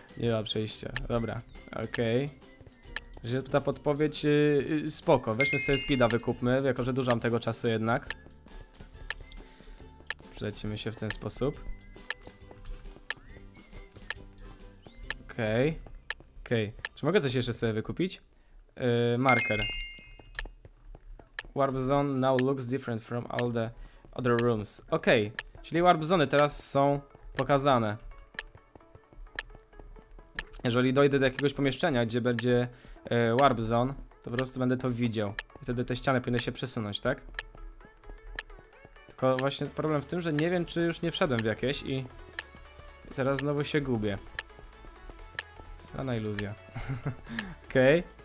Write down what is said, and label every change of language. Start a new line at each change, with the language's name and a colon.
Polish: Nie ma przejścia, dobra. Okej. Że ta podpowiedź, spoko, weźmy sobie speeda, wykupmy, jako że dużo mam tego czasu jednak. Przelecimy się w ten sposób. Okej. Okej, czy mogę coś jeszcze sobie wykupić? Marker.
English: Warp zone now looks different from all the other rooms.
Polish: Okej, czyli warp zone teraz są pokazane. Jeżeli dojdę do jakiegoś pomieszczenia, gdzie będzie warp zone, to po prostu będę to widział. Wtedy te ściany powinny się przesunąć, tak? Tylko właśnie problem w tym, że nie wiem, czy już nie wszedłem w jakieś i teraz znowu się gubię. Sana iluzja. Okej.